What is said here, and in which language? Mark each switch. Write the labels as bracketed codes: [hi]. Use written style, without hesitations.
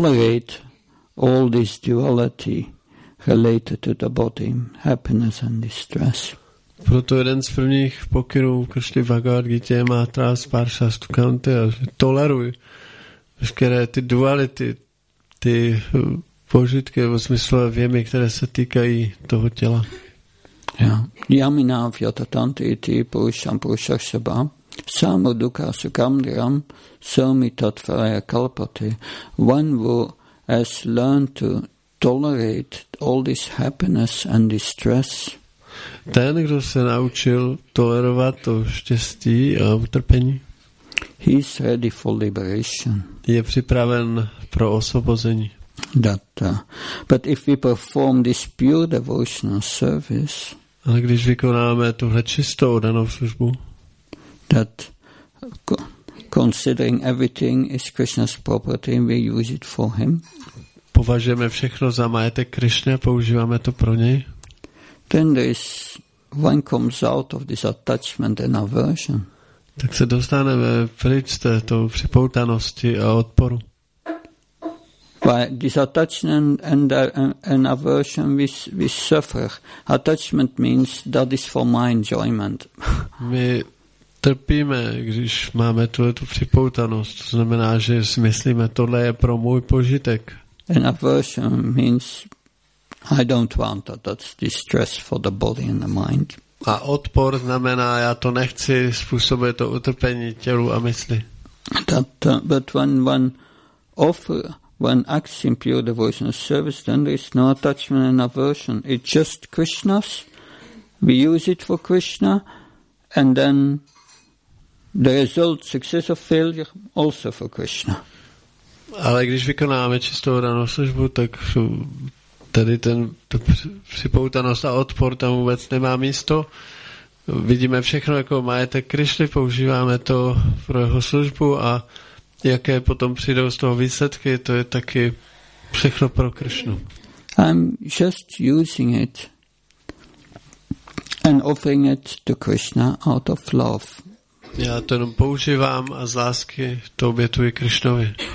[en] Tolerate all this duality related to the body, happiness and distress. [cs] Proto jeden z prvních pokynů Krishna Bhagavad Gita je [sa] Matra Sparshita Kantiya. [cs] Toleruj veškeré ty duality, ty požitky nebo smyslové věmy, které se týkají toho těla. [sa] Yamina vyata tanti iti purusham purushasabha samu dukha sukam dhiram somi tatvaya kalpati. [en] One who has learned to tolerate all this happiness and distress. [cs] Ten, kdo se naučil tolerovat to štěstí a utrpení, [en] he is ready for liberation. [cs] Je připraven pro osvobození. [en] That, but if we perform this pure devotional service, [cs] ale když vykonáme tuhle čistou danou službu, [en] that considering everything is Krishna's property, we use it for him. [cs] Považujeme všechno za majetek Krishny, používáme to pro něj. [en] Then there is one comes out of this attachment and aversion. [cs] Tak se dostaneme pryč z této připoutanosti a odporu. [en] By disattachment and aversion we suffer. Attachment means that is for my enjoyment. [cs] My trpíme, když máme tuhle tu připoutanost. To znamená, že si myslíme, tohle je pro můj požitek. [en] An aversion means I don't want that. That's distress for the body and the mind. [cs] A odpor znamená, já to nechci, způsobuje to utrpení tělu a mysli. [en] That, but when one offers, when acts in pure devotional service, then there is no attachment and aversion. It's just Krishna's. We use it for Krishna, and then the result, success or failure, also for Krishna. [cs] Ale když vykonáváme čistou danou službu, tak tady ten připoutanost a odpor tam vůbec nemá místo. Vidíme všechno jako majetek Krišny, používáme to pro jeho službu a jaké potom přijdou z toho výsledky, to je taky všechno pro Krišnu. [en] I'm just using it and offering it to Krishna out of love. [cs] Já to jenom používám a z lásky to obětuji Krišnovi.